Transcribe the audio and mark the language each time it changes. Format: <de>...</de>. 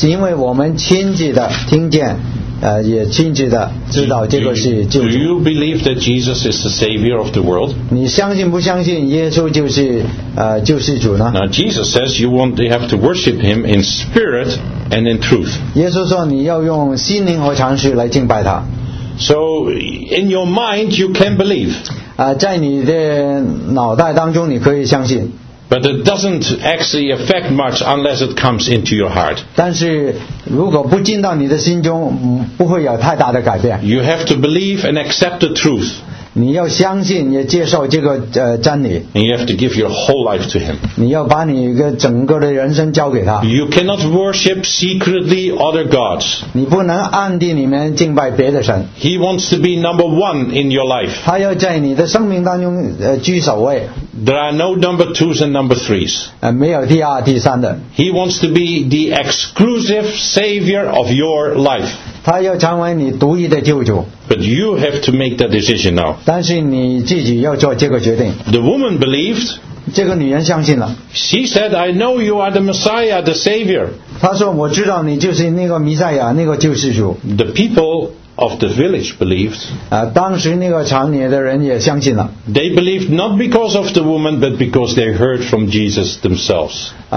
<zh>那个厂里的人说，过了两天，因为耶稣在他们当中住了两天，他说现在我们信，不是因为你的话，是因为我们亲自的听见。</zh> <en>Do you believe that Jesus is the Savior of the world?</en> <zh>你相信不相信耶稣就是主呢?</zh> <en>Now Jesus says you have to worship him in spirit and in truth.</en> <zh>耶稣说你要用心灵和常识来敬拜他。</zh> <en>So in your mind you can believe.</en> <zh>在你的脑袋当中你可以相信。</zh> <en>But it doesn't actually affect much unless it comes into your heart.</en> <zh>但是如果不进到你的心中, 不会有太大的改变。</zh> <en>You have to believe and accept the truth.</en> <zh>你要相信也接受这个,</zh> <en>and you have to give your whole life to him.</en> <zh>你要把你一个整个的人生交给他。</zh> <en>You cannot worship secretly other gods.</en> <zh>你不能暗地里面敬拜别的神。</zh> <en>He wants to be number one in your life.</en> <zh>他要在你的生命当中, 居首位。</zh> <en>There are no number twos and number threes.</en> <zh>没有第二、第三的。</zh> <en>He wants to be the exclusive savior of your life.</en> <zh>他要成为你独一的救主。</zh> <en>But you have to make that decision now.</en> <zh>但是你自己要做这个决定。</zh> <en>The woman believed.</en> <zh>这个女人相信了。</zh> <en>She said, I know you are the Messiah, the Savior.</en> <zh>她说我知道你就是那个弥赛亚，那个救世主。</zh> <en>The people of the village believed. They believed not because of the woman, but because they heard from Jesus themselves.</en>